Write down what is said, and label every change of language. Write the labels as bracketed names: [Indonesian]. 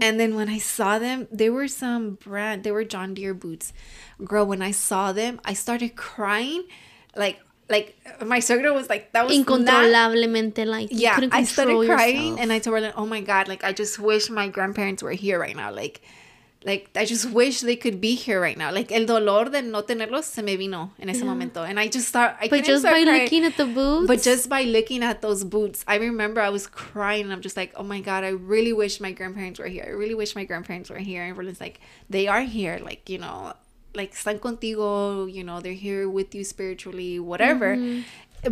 [English] And then when I saw them, they were John Deere boots. Girl, when I saw them, I started crying. Like my suegro was like, that was [Spanish] incontrolablemente, like, [English] yeah, couldn't control. I started yourself. Crying, and I told her, like, oh my God, like, I just wish my grandparents were here right now. Like, I just wish they could be here right now. [Spanish] Like, el dolor de no tenerlos se me vino en ese momento. [English] And I just start, Looking at the boots? But just by looking at those boots, I remember I was crying. And I'm just like, oh my God, I really wish my grandparents were here. I really wish my grandparents were here. And everyone's like, they are here. Like, you know, like, [Spanish] están contigo. [English] You know, they're here with you spiritually, whatever. Mm-hmm.